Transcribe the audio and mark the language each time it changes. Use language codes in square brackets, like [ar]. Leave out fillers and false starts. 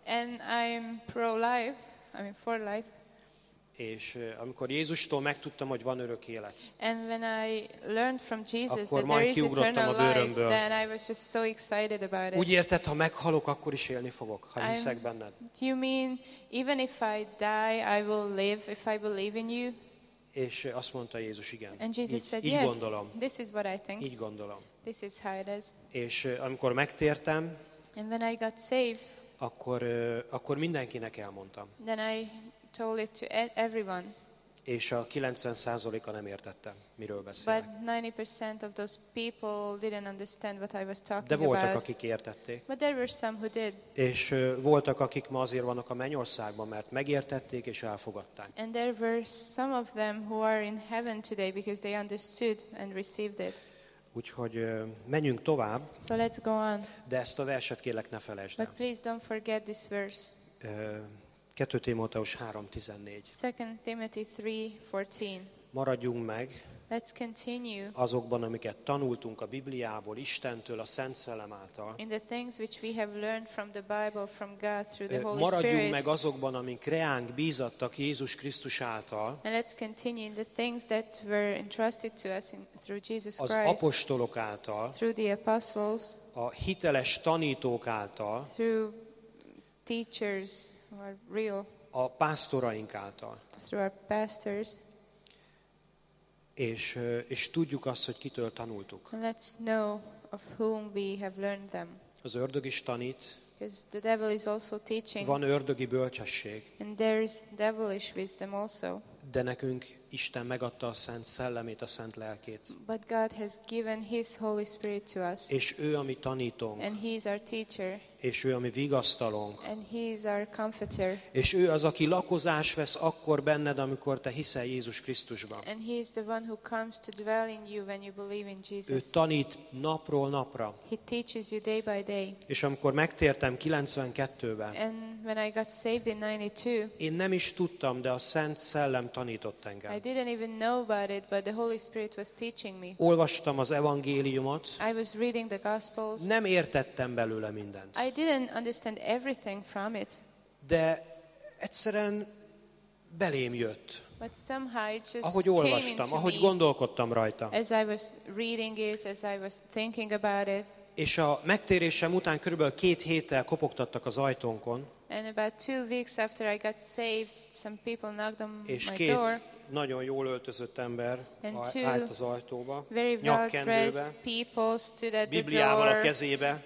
[en] And I'm pro-life, I mean for life. [hu] És amikor Jézustól megtudtam, hogy van örök élet, [en] and when I learned from Jesus [hu] akkor [en] that there is eternal [hu] a bőrömből, [en] life, then I was just so excited about it. [hu] Úgy érted, ha meghalok, akkor is élni fogok, ha hiszek benned. [en] Do you mean, even if I die, I will live if I believe in you? [hu] És azt mondta Jézus, igen. [en] And Jesus [hu] így, [en] said, [hu] így [en] yes, [hu] gondolom. [en] This is what I think. [hu] Így gondolom. [en] This is how it is. [hu] És amikor megtértem, [en] and when I got saved, [hu] akkor mindenkinek elmondtam. [en] Then I told it to everyone. [hu] És a 90%-a nem értette, miről beszélek. [en] But 90% of those people didn't understand what I was talking about. [hu] De voltak, akik értették. [en] But there were some who did. [hu] És voltak, akik ma azért vannak a mennyországban, mert megértették és elfogadták. [en] And there were some of them who are in heaven today because they understood and received it. [hu] Úgyhogy menjünk tovább. [en] So let's go on. [hu] De ezt a verset kérlek ne felejtsd el. [en] But please don't forget this verse. [hu] 2 Timóteus 3:14. [en] 2 Timothy 3:14. [hu] Maradjunk meg. [en] Let's continue. [hu] Azokban, amiket tanultunk a Bibliából, Istentől, a Szent Szellem által. [en] In the things which we have learned from the Bible, from God through the Holy Spirit. [hu] Maradjunk meg azokban, amik reánk bízattak Jézus Krisztus által. [en] And let's continue in the things that were entrusted to us through Jesus Christ. [hu] Az apostolok által. [en] Through the apostles. [hu] A hiteles tanítók által. [en] Through teachers. Real. [hu] A pásztoraink által. [en] Through our pastors. [hu] És tudjuk azt, hogy kitől tanultuk. [en] Let's know of whom we have learned them. [hu] Az ördög is tanít. [en] Because the devil is also teaching. [hu] Van ördögi bölcsesség. [en] And there is devilish wisdom also. [hu] De nekünk Isten megadta a Szent Szellemét, a Szent Lelkét. [en] But God has given His Holy Spirit to us. [hu] És ő a mi tanítónk. [en] And He is our teacher. [hu] És ő a mi vigasztalónk. [en] And He is our comforter. [hu] És ő az, aki lakozás vesz akkor benned, amikor te hiszel Jézus Krisztusban. [en] And He is the one who comes to dwell in you when you believe in Jesus. [hu] Ő tanít napról napra. [en] He teaches you day by day. [hu] És amikor megtértem 92-ben, [en] and when I got saved in 92, [hu] én nem is tudtam, de a Szent Szellem tanított engem. [en] I didn't even know about it, but the Holy Spirit was teaching me. [hu] Olvastam az evangéliumot. [en] I was reading the Gospels. [hu] Nem értettem belőle mindent. [en] I didn't understand everything from it. [hu] De egyszerűen belém jött. [en] But somehow it just [hu] ahogy olvastam, [en] came into [hu] ahogy gondolkodtam rajta. [en] As I was reading it, as I was thinking about it. [hu] És a megtérésem után körülbelül 2 héttel kopogtattak az ajtónkon. [en] And about 2 weeks after I got saved, some people knocked on my door. [hu] És két nagyon jól öltözött ember állt az ajtóba, nyakkendőbe, Bibliával a kezébe,